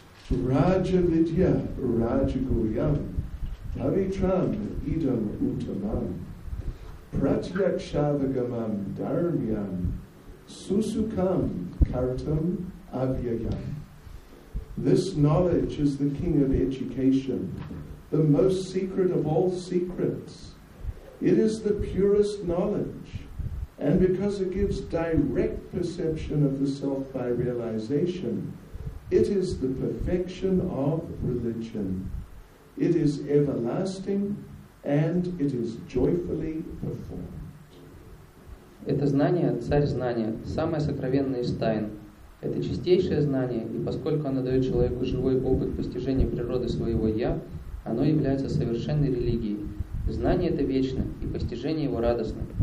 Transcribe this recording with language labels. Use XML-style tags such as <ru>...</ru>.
<sa>Раджа Видья, Раджа Гуям, Авитрам, Идам Утамам, Пратьякшавагамам, Дармьям, Сусукам, Картам, Авьяям.</sa> <en>This knowledge is the king of education, the most secret of all secrets. It is the purest knowledge, and because it gives direct perception of the self by realization, it is the perfection of religion. It is everlasting, and it is joyfully performed.</en> <ru>Это знание, царь знания, самое сокровенное из тайн. Это чистейшее знание, и поскольку оно дает человеку живой опыт постижения природы своего «я», оно является совершенной религией. Знание это вечно, и постижение его радостно.</ru>